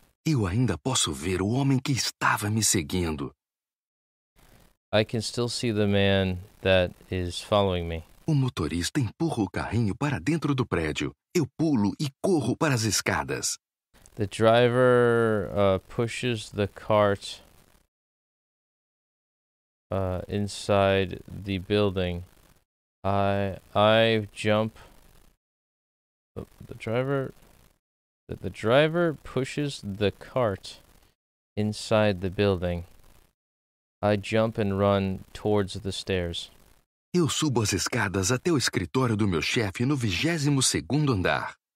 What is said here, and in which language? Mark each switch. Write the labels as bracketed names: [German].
[Portuguese] Eu ainda posso ver o homem que estava me seguindo. [English] I can still see the man that is following me. [Portuguese] O motorista empurra o carrinho para dentro do prédio. Eu pulo e corro para as escadas. [English] The driver pushes the cart inside the building. I jump. The driver pushes the cart inside the building. I jump and run towards the stairs. [Portuguese] Eu subo as escadas até o escritório do meu chefe no 22º andar.